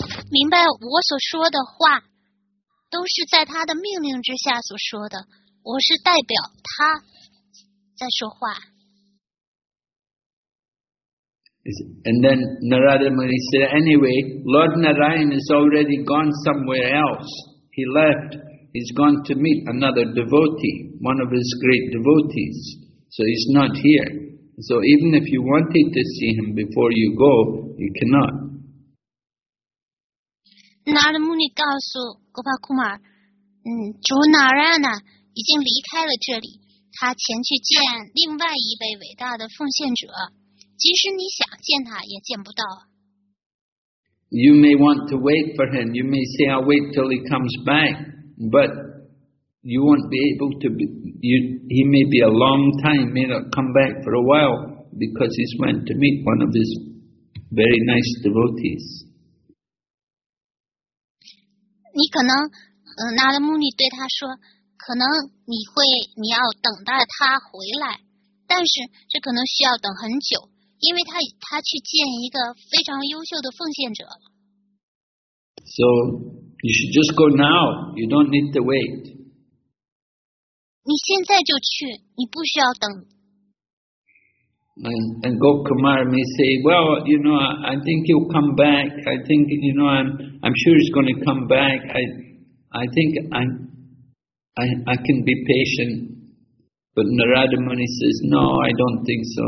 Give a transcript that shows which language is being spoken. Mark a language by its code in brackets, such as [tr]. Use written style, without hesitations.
[zh] 明白我所说的话都是在他的命令之下所说的，我是代表他在说话。 [en] And then Narada Muni said, anyway, Lord Narayan is already gone somewhere else. He left. He's gone to meet another devotee, one of his great devotees. So he's not here. So even if you wanted to see him before you go, you cannot. [zh] Narada Muni 告诉 Gopal Kumar, 主 Narayana 已经离开了这里，他前去见另外一位伟大的奉献者。即使你想见他也见不到。 [en] You may want to wait for him. You may say, I'll wait till he comes back. But you won't be able to be, he may be a long time, may not come back for a while because he's went to meet one of his very nice devotees. [zh] 你可能拿着目的对他说，可能你要等待他回来，但是这可能需要等很久。因为他去见一个非常优秀的奉献者。 [en] So, you should just go now. You don't need to wait. [zh] 你现在就去，你不需要等。 [en] And Gokumar may say, well, you know, I think he'll come back. I think, you know, I'm sure he's going to come back. I think I can be patient. But Narada Muni says, no, I don't think so.